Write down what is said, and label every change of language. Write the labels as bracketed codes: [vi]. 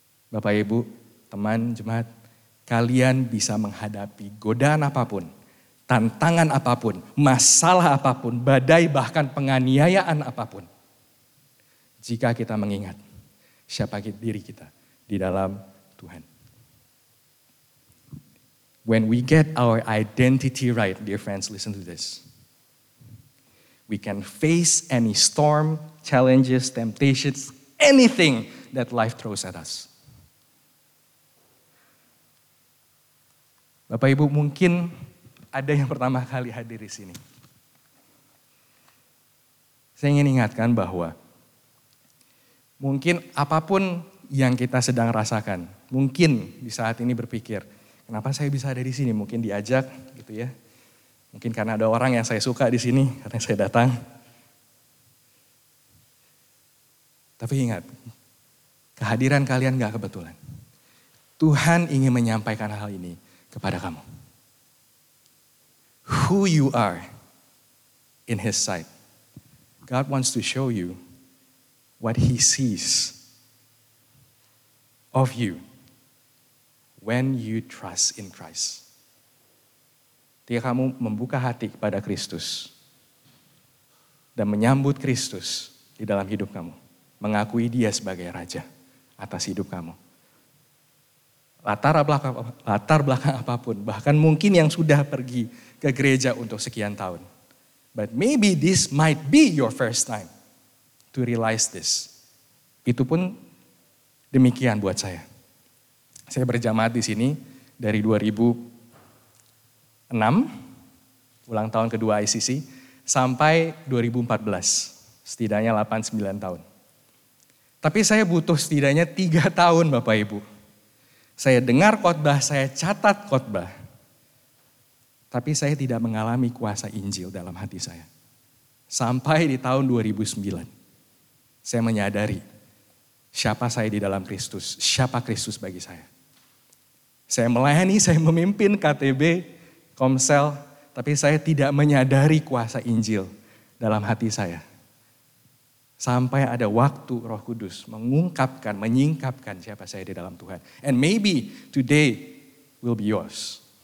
[id] Bapak, Ibu, teman, jemaat, kalian bisa menghadapi godaan apapun, tantangan apapun, masalah apapun, badai bahkan penganiayaan apapun. Jika kita mengingat siapa diri kita di dalam Tuhan. [en] When we get our identity right, dear friends, listen to this. We can face any storm, challenges, temptations, anything that life throws at us. [id] Bapak Ibu, mungkin ada yang pertama kali hadir di sini. Saya ingin ingatkan bahwa mungkin apapun yang kita sedang rasakan, mungkin di saat ini berpikir, kenapa saya bisa ada di sini? Mungkin diajak gitu ya. Mungkin karena ada orang yang saya suka di sini, karena saya datang. Tapi ingat, kehadiran kalian gak kebetulan. Tuhan ingin menyampaikan hal ini kepada kamu. [en] Who you are in His sight. God wants to show you what He sees of you when you trust in Christ. [id] Ketika kamu membuka hati kepada Kristus dan menyambut Kristus di dalam hidup kamu, mengakui Dia sebagai Raja atas hidup kamu. Latar belakang apapun, bahkan mungkin yang sudah pergi ke gereja untuk sekian tahun. [en] But maybe this might be your first time to realize this. [id] Itu pun demikian buat saya. Saya berjamaat di sini dari 2006, ulang tahun kedua ICC, sampai 2014, setidaknya 8-9 tahun. Tapi saya butuh setidaknya 3 tahun Bapak Ibu. Saya dengar khotbah, saya catat khotbah. Tapi saya tidak mengalami kuasa Injil dalam hati saya. Sampai di tahun 2009. Saya menyadari siapa saya di dalam Kristus, siapa Kristus bagi saya. Saya melayani, saya memimpin KTB, Komsel, tapi saya tidak menyadari kuasa Injil dalam hati saya. Sampai ada waktu Roh Kudus mengungkapkan, menyingkapkan siapa saya di dalam Tuhan. [en] And maybe today will be yours.